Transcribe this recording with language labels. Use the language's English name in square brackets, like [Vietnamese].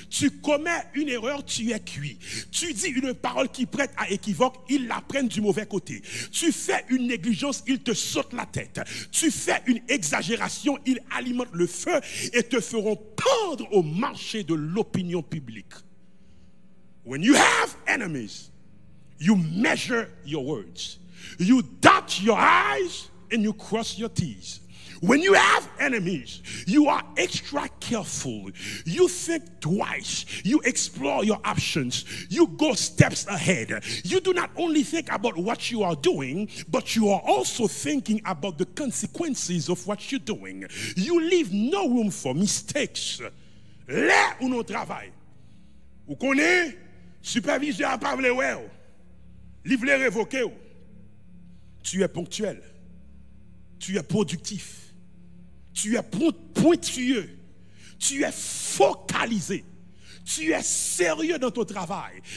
[French] Tu commets une erreur, tu es cuit. Tu dis une parole qui prête à équivoque, ils la prennent du mauvais côté. Tu fais une négligence, ils te sautent la tête. Tu fais une exagération, ils alimentent le feu et te feront pendre au marché de l'opinion publique. [English] When you have enemies, you measure your words. You dot your I's and you cross your T's. When you have enemies, you are extra careful. You think twice. You explore your options. You go steps ahead. You do not only think about what you are doing, but you are also thinking about the consequences of what you're doing. You leave no room for mistakes. [French] Là où nous travaillons, où qu'on est, superviseur a parlé well, livre les révoqué. Tu es ponctuel. Tu es productif. Tu es pointueux, tu es focalisé, tu es sérieux dans ton travail.